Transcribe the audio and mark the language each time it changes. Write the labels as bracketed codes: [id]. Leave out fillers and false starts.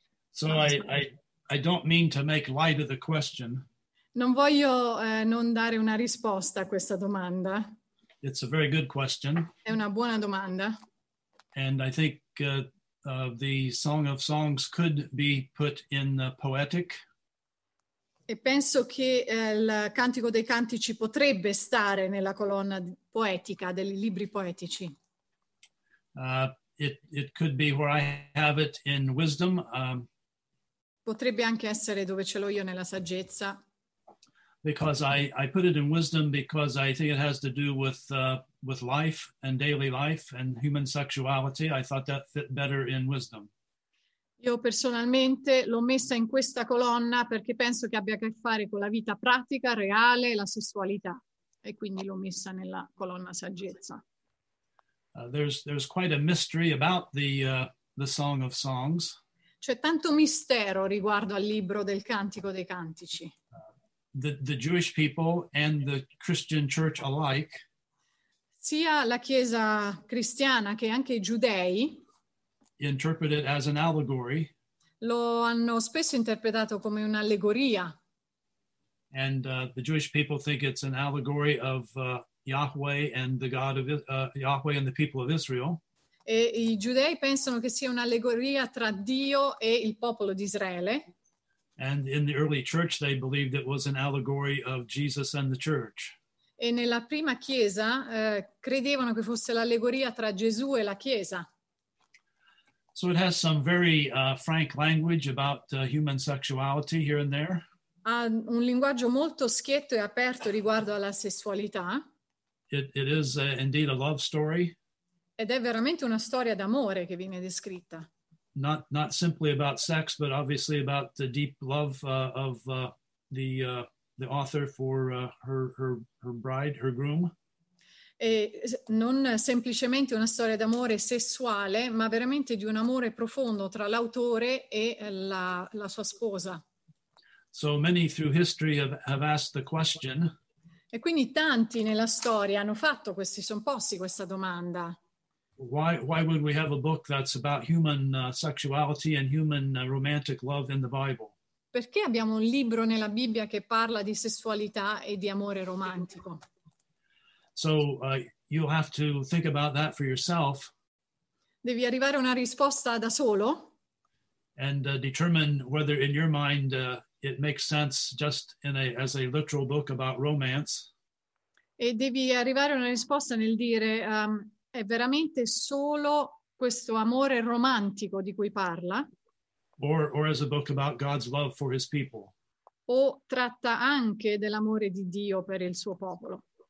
[en] So I don't mean to make light of the question. [it] Non voglio non dare una risposta a questa domanda. [en] It's a very good question. [it] È una buona domanda. [en] And I think the Song of Songs could be put in the poetic. [it] E penso che il Cantico dei Cantici potrebbe stare nella colonna poetica dei libri poetici. [en] It could be where I have it in wisdom. [it] Potrebbe anche essere dove ce l'ho io nella saggezza. [en] Because I put it in wisdom because I think it has to do with life and daily life and human sexuality. I thought that fit better in wisdom. [it] Io personalmente l'ho messa in questa colonna perché penso che abbia a che fare con la vita pratica, reale, la sessualità. E quindi l'ho messa nella colonna saggezza. [en] There's quite a mystery about the Song of Songs. [it] C'è tanto mistero riguardo al libro del Cantico dei Cantici. [en] The Jewish people and the Christian church alike. [it] Sia la Chiesa cristiana che anche i giudei [en] interpret it as an allegory. [it] Lo hanno spesso interpretato come un'allegoria. [en] And the Jewish people think it's an allegory of Yahweh and the God of Yahweh and the people of Israel. [it] E i giudei pensano che sia un'allegoria tra Dio e il popolo di Israele. [en] And in the early church they believed it was an allegory of Jesus and the church. [it] E nella prima chiesa credevano che fosse l'allegoria tra Gesù e la chiesa. [en] So it has some very frank language about human sexuality here and there. [it] Ha un linguaggio molto schietto e aperto riguardo alla sessualità. [en] It is indeed a love story. [it] Ed è veramente una storia d'amore che viene descritta. [en] Not simply about sex, but obviously about the deep love of the author for her bride, her groom. [it] E non semplicemente una storia d'amore sessuale, ma veramente di un amore profondo tra l'autore e la sua sposa. [en] So many through history have asked the question. [it] E quindi tanti nella storia hanno fatto questi son posti questa domanda. [en] Why would we have a book that's about human sexuality and human romantic love in the Bible? [it] Perché abbiamo un libro nella Bibbia che parla di sessualità e di amore romantico? [en] So you'll have to think about that for yourself. [it] Devi arrivare a una risposta da solo. [en] And determine whether in your mind it makes sense just as a literal book about romance. [it] E devi arrivare a una risposta nel dire è veramente solo questo amore romantico di cui parla? [en] Or as a book about God's love for his people. [it] O tratta anche dell'amore di Dio per il suo popolo?